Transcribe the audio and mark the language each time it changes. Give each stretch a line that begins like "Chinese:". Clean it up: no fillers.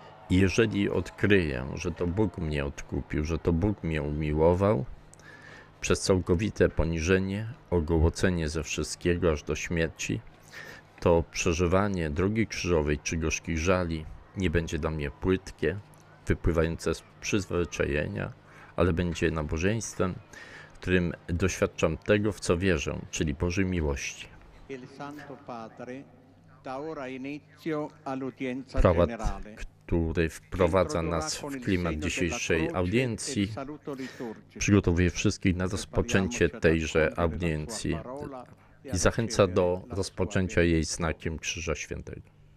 Polish: I jeżeli odkryję, że to Bóg mnie odkupił, że to Bóg mnie umiłował, przez całkowite poniżenie, ogołocenie ze wszystkiego aż do śmierci, to przeżywanie drogi krzyżowej czy gorzkich żali nie będzie dla mnie płytkie, wypływające z przyzwyczajenia, ale będzie nabożeństwem, w którym doświadczam tego, w co wierzę, czyli Bożej miłości.
Italian: Il Santo Padre da ora inizio all'udienza generale,
Polish: który wprowadza nas w klimat dzisiejszej audiencji, przygotowuje wszystkich na rozpoczęcie tejże audiencji i zachęca do rozpoczęcia jej znakiem Krzyża Świętego.